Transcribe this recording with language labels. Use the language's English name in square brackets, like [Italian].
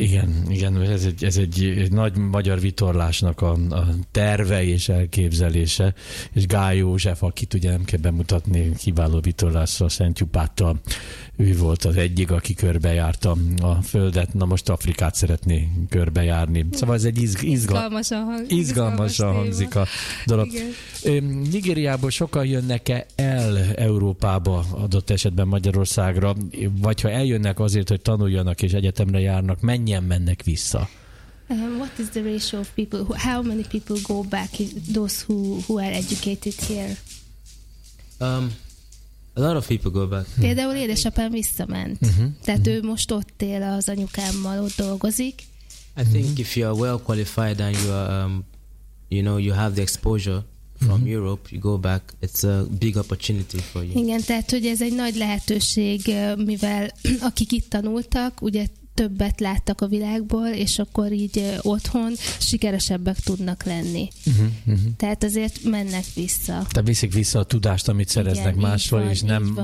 [Hungarian] Igen, igen, ez egy nagy magyar vitorlásnak a terve és elképzelése, és Gály József, akit ugye nem kell bemutatni, kiváló vitorlásra, Szent Jupáttal, ő volt az egyik, aki körbejárta a földet, na most Afrikát szeretné körbejárni. Szóval ez egy izgalmasan hangzik a dolog. Nigériából sokan jönnek-e el Európába, adott esetben Magyarországra, vagy ha eljönnek azért, hogy tanuljanak és egyetemre járnak, mennyien mennek vissza? [English] What is the ratio of people? How many people go back, those who are educated here? A lot of people go back. [Hungarian] Például édesapám visszament. Tehát ő most ott él az anyukámmal, ott dolgozik. [English] I think if you are well qualified and you are, you know, you have the exposure from Europe, you go back, it's a big opportunity for you. [Hungarian] Igen, tehát hogy ez egy nagy lehetőség, mivel akik itt tanultak, ugye többet láttak a világból, és akkor így otthon sikeresebbek tudnak lenni. Tehát azért mennek vissza. Tehát viszik vissza a tudást, amit szereznek, igen, máshol, van, és nem van.